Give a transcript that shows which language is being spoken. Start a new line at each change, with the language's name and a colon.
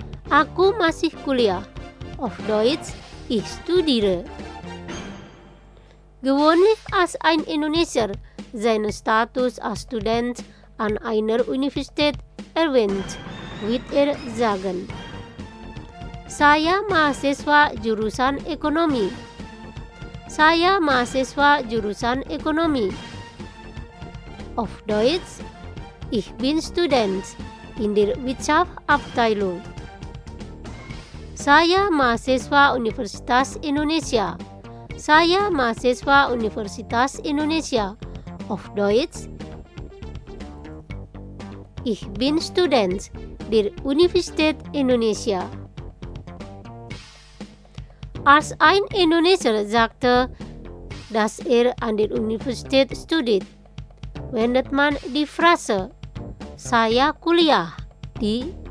Indonesian: Aku masih kuliah.
German: Auf Deutsch, ich studiere. Gewöhnlich als ein Indonesier seinen Status als Student an einer Universität erwähnt, wird er sagen.
Indonesian: Saya mahasiswa jurusan ekonomi. Saya mahasiswa jurusan ekonomi.
German: Auf Deutsch, Ich bin Student in der Wirtschaftsabteilung.
Indonesian: Saya mahasiswa Universitas Indonesia. Saya mahasiswa Universitas Indonesia.
German: Auf Deutsch. Ich bin Student der Universität Indonesia. Als ein Indonesier sagte, dass an der Universität studiert, wendet man die Phrase
Indonesian: Saya kuliah di.